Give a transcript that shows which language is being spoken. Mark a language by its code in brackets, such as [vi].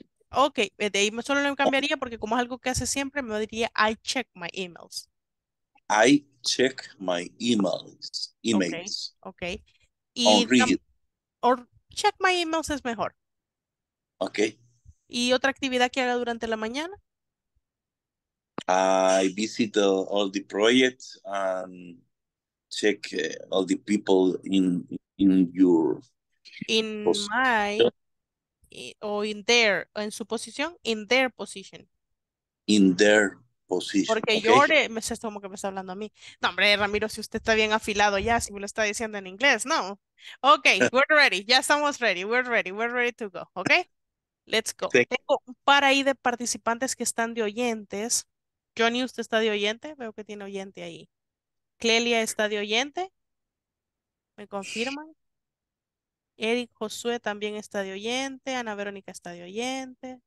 [es] Ok, de ahí solo lo cambiaría porque como es algo que hace siempre, me diría [en] I check my emails. I check my emails. Ok, okay. Or check my emails [es] es mejor. [en] Ok. [es] ¿Y otra actividad que haga durante la mañana? [en] I visit all the projects and check all the people in your... In my... O in their, [es] en su posición, [en] in their position. In their position. [es] Porque okay. Yore, me sé como que me está hablando a mí. No, hombre, Ramiro, si usted está bien afilado ya, si me lo está diciendo en inglés, no. [en] Ok, we're ready, [es] ya estamos [en] ready, we're ready to go, ok? Let's go. Sí. [es] Tengo un par ahí de participantes que están de oyentes. Johnny, ¿usted está de oyente? Veo que tiene oyente ahí. Clelia, ¿está de oyente? ¿Me confirman? Eric Josué también está de oyente. Ana Verónica está de oyente.